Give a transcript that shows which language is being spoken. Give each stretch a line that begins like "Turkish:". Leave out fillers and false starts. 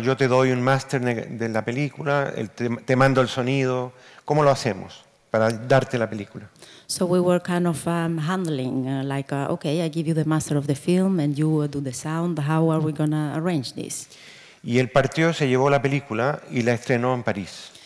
Spanish: Yo te doy un máster de la película. Te mando el sonido. ¿Cómo lo hacemos para darte la película?
English: So we were kind of handling, like, okay, I give you the master of the film and you do the sound. How are we going to arrange this?
Spanish: Y él partió, se llevó la película y la estrenó en París.